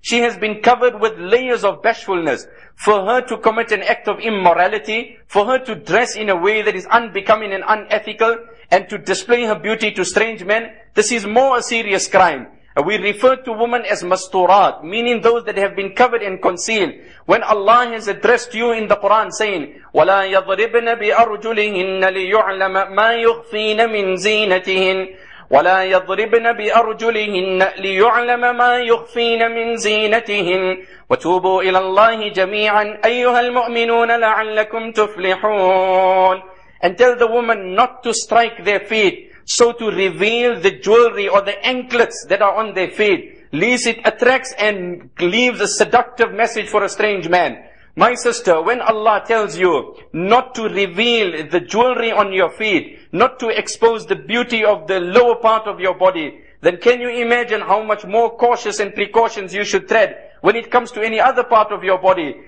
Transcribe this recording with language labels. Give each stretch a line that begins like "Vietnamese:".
English: She has been covered with layers of bashfulness. For her to commit an act of immorality, for her to dress in a way that is unbecoming and unethical, and to display her beauty to strange men, this is more a serious crime. We refer to women as masturat, meaning those that have been covered and concealed. When Allah has addressed you in the Quran saying,
Arabic: وَلَا يَضْرِبْنَ بِأَرْجُلِهِنَّ لِيُعْلَمَ مَا يُخْفِينَ مِنْ زِينَتِهِنَّ وَلَا يَضْرِبْنَ بِأَرْجُلِهِنَّ لِيُعْلَمَ مَا يُخْفِينَ مِنْ زِينَتِهِنَّ وَتُوبُوا إِلَى اللَّهِ جَمِيعًا أَيُّهَا الْمُؤْمِنُونَ لَعَلَّكُمْ تُفْلِحُونَ.
English: And tell the woman not to strike their feet, so to reveal the jewelry or the anklets that are on their feet, lest it attracts and leaves a seductive message for a strange man. My sister, when Allah tells you not to reveal the jewelry on your feet, not to expose the beauty of the lower part of your body, then can you imagine how much more cautious and precautions you should tread when it comes to any other part of your body?